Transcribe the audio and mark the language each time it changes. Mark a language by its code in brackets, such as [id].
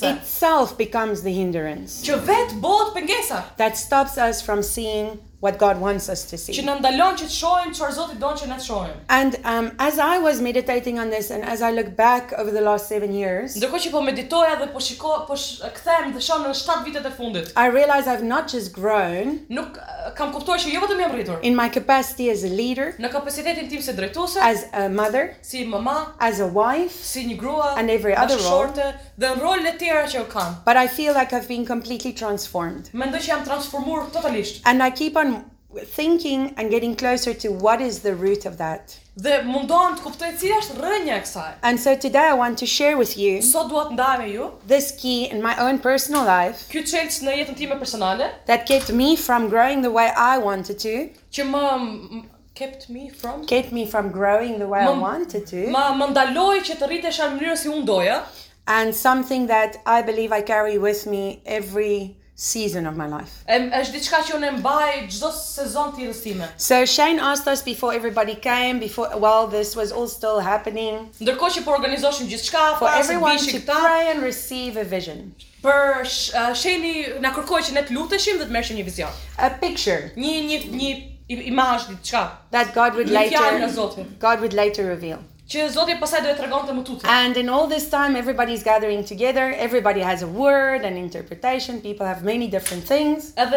[en] That itself becomes the hindrance. [sq] Që vetë bëhet pengesa. [en] That stops us from seeing what God wants us to see. [sq] Që na ndalon që të shohim çfarë Zoti don që ne të shohim. [en] And as I was meditating on this and as I look back over the last 7 years. [sq] Ndërkohë që po meditoja dhe po shikoj, po kthehem dhe shoh në 7 vitet e fundit. [en] I realize I've not just grown. [sq] Nuk kam kuptuar që jo vetëm jam rritur. [en] In my capacity as a leader. [sq] Në kapacitetin tim si drejtuese. [en] As a mother. [sq] Si mama. [en] As a wife. [sq] Si një grua. [en] And every other role. [sq] Dhe rolet e tjera që kam. [en] But I feel like I've been completely transformed. [sq] Mendoj që jam transformuar totalisht. [en] And I keep on thinking and getting closer to what is the root of that. [sq] Dhe mundohem të kuptoj cila është rrënja e kësaj. [en] And so today I want to share with you. [sq] Sot dua të ndaj me ju. [en] This key in my own personal life. [sq] Ky çelës në jetën time personale. [en] That kept me from growing the way I wanted to. [sq] Që më [en] kept me from. Kept me from growing the way I wanted to. [sq] Më ndaloi që të rritesha në mënyrën si unë doja. [en] And something that I believe I carry with me every season of my life. [sq] Është diçka që unë mbaj çdo sezon të jetës time. [en] So Shane asked us before everybody came, before while this was all still happening. [sq] Ndërkohë që po organizoshim gjithçka, [en] for everyone to pray and receive a vision. [sq] Për Shane na kërkoi që ne të luteshim dhe të merrshim një vizion. [en] A picture. [sq] Një imazh diçka. [en] That God would later reveal. And in all this time, everybody's gathering together, everybody has a word, an interpretation, people have many different things.